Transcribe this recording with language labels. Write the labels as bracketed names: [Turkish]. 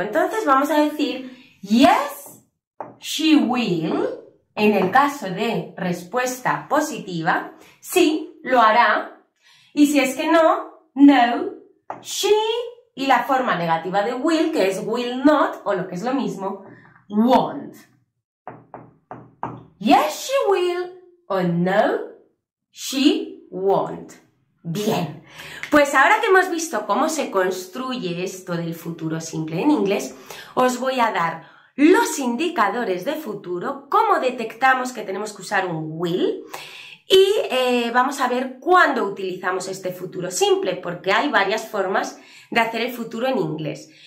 [Spanish] Entonces vamos a decir, [English] yes, she will, [Spanish] en el caso de respuesta positiva, sí, lo hará, y si es que no, no, she, y la forma negativa de will, que es will not, o lo que es lo mismo, won't. [English] Yes, she will, o no, she won't. [Spanish] Bien, pues ahora que hemos visto cómo se construye esto del futuro simple en inglés, os voy a dar los indicadores de futuro, cómo detectamos que tenemos que usar un will, y vamos a ver cuándo utilizamos este futuro simple, porque hay varias formas de hacer el futuro en inglés.